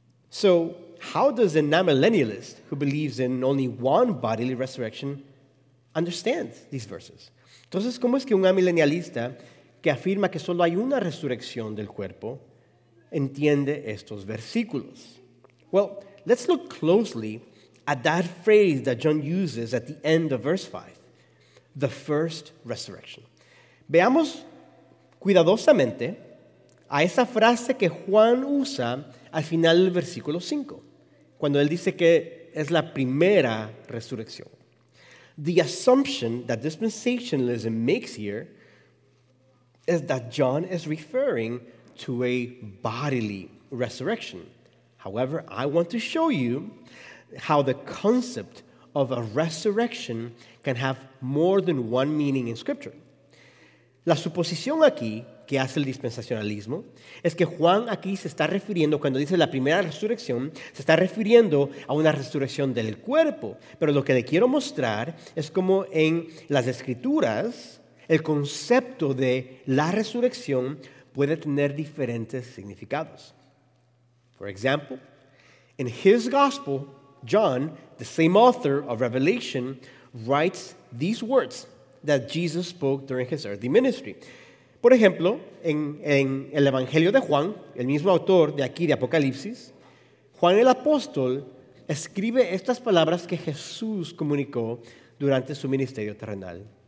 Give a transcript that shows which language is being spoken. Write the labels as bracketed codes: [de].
[en] So, how does an amillennialist who believes in only one bodily resurrection understand these verses? [es] Entonces, ¿cómo es que un amilenialista que afirma que solo hay una resurrección del cuerpo entiende estos versículos? [en] Well, let's look closely at that phrase that John uses at the end of verse 5, the first resurrection. [es] Veamos cuidadosamente a esa frase que Juan usa al final del versículo 5, cuando él dice que es la primera resurrección. [en] The assumption that dispensationalism makes here is that John is referring to a bodily resurrection. However, I want to show you how the concept of a resurrection can have more than one meaning in Scripture. [es] La suposición aquí que hace el dispensacionalismo es que Juan aquí se está refiriendo, cuando dice la primera resurrección, se está refiriendo a una resurrección del cuerpo. Pero lo que le quiero mostrar es cómo en las Escrituras el concepto de la resurrección puede tener diferentes significados. [en] For example, in his gospel, John, the same author of Revelation, writes these words that Jesus spoke during his earthly ministry. [es] Por ejemplo, en el Evangelio de Juan, el mismo autor de aquí, de Apocalipsis, Juan el apóstol escribe estas palabras que Jesús comunicó durante su ministerio terrenal.